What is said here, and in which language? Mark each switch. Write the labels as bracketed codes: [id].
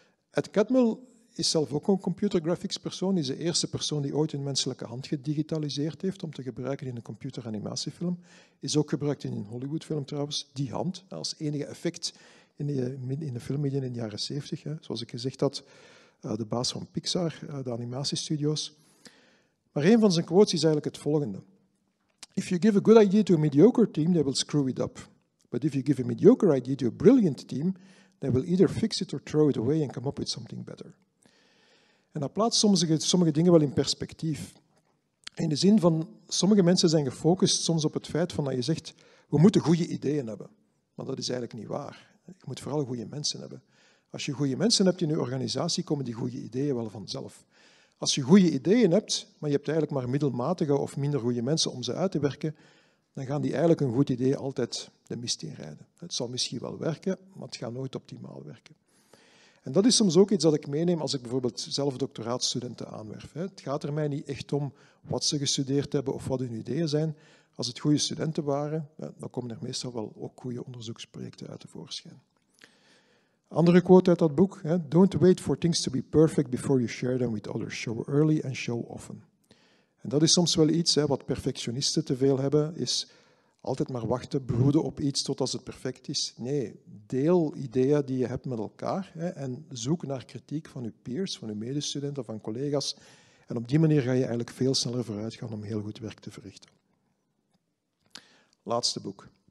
[nl] Ed Catmull is zelf ook een computer graphics persoon. Is de eerste persoon die ooit een menselijke hand gedigitaliseerd heeft om te gebruiken in een computeranimatiefilm. Is ook gebruikt in een Hollywoodfilm trouwens, die hand, als enige effect in de filmmedia in de jaren 70. Hè. Zoals ik gezegd had, de baas van Pixar, de animatiestudio's. Maar een van zijn quotes is eigenlijk het volgende. [en] If you give a good idea to a mediocre team, they will screw it up. But if you give a mediocre idea to a brilliant team, they will either fix it or throw it away and come up with something better. [nl] En dat plaatst sommige dingen wel in perspectief. In de zin van, sommige mensen zijn gefocust soms op het feit van dat je zegt, we moeten goede ideeën hebben. Maar dat is eigenlijk niet waar. Je moet vooral goede mensen hebben. Als je goede mensen hebt in je organisatie, komen die goede ideeën wel vanzelf. Als je goede ideeën hebt, maar je hebt eigenlijk maar middelmatige of minder goede mensen om ze uit te werken, dan gaan die eigenlijk een goed idee altijd de mist in rijden. Het zal misschien wel werken, maar het gaat nooit optimaal werken. En dat is soms ook iets dat ik meeneem als ik bijvoorbeeld zelf doctoraatstudenten aanwerf. Het gaat er mij niet echt om wat ze gestudeerd hebben of wat hun ideeën zijn. Als het goede studenten waren, dan komen er meestal wel ook goede onderzoeksprojecten uit te voorschijn. Andere quote uit dat boek. [en] Don't wait for things to be perfect before you share them with others. Show early and show often. [nl] En dat is soms wel iets wat perfectionisten te veel hebben, is altijd maar wachten, broeden op iets tot als het perfect is. Nee, deel ideeën die je hebt met elkaar en zoek naar kritiek van je peers, van je medestudenten, van collega's. En op die manier ga je eigenlijk veel sneller vooruit gaan om heel goed werk te verrichten. Laatste boek.